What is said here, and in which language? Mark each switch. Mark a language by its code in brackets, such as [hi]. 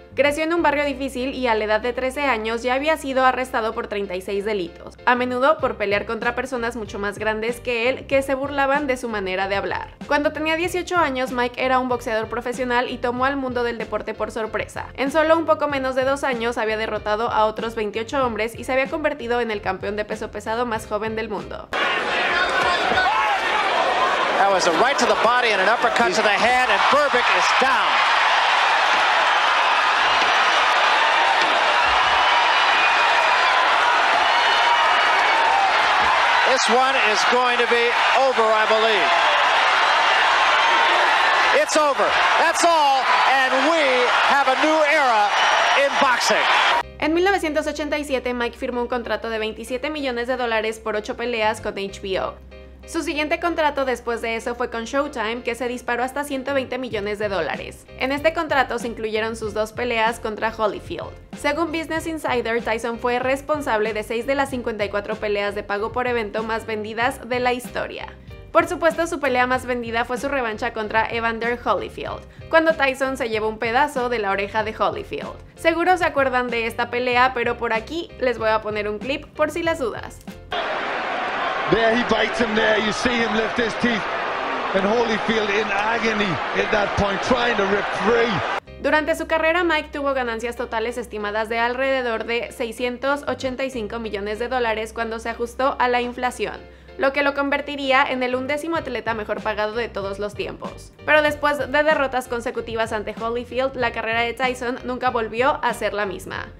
[es] Creció en un barrio difícil y a la edad de 13 años ya había sido arrestado por 36 delitos, a menudo por pelear contra personas mucho más grandes que él que se burlaban de su manera de hablar. Cuando tenía 18 años, Mike era un boxeador profesional y tomó al mundo del deporte por sorpresa. En solo un poco menos de 2 años había derrotado a otros 28 hombres y se había convertido en el campeón de peso pesado más joven del mundo. [en] That was a right to the body and an uppercut to the head, and Burbick is down. This one is going to be over, I believe. It's over. That's all, and we have a new era in boxing. [es] En 1987, Mike firmó un contrato de 27 millones de dólares por 8 peleas con HBO. Su siguiente contrato después de eso fue con Showtime, que se disparó hasta 120 millones de dólares. En este contrato se incluyeron sus dos peleas contra Holyfield. Según Business Insider, Tyson fue responsable de 6 de las 54 peleas de pago por evento más vendidas de la historia. Por supuesto, su pelea más vendida fue su revancha contra Evander Holyfield, cuando Tyson se llevó un pedazo de la oreja de Holyfield. Seguro se acuerdan de esta pelea, pero por aquí les voy a poner un clip por si las dudas. [en] There he bites him there, you see him lift his teeth, and Holyfield in agony at that point, trying to rip free. [es] Durante su carrera, Mike tuvo ganancias totales estimadas de alrededor de 685 millones de dólares cuando se ajustó a la inflación, lo que lo convertiría en el undécimo atleta mejor pagado de todos los tiempos. Pero después de derrotas consecutivas ante Holyfield, la carrera de Tyson nunca volvió a ser la misma.